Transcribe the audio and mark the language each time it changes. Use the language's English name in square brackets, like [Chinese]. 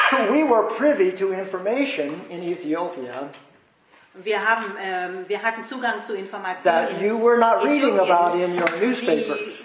[English] We were privy to information in Ethiopia. [German] Wir hatten Zugang zu Informationen, [English] that you were not reading about in your newspapers.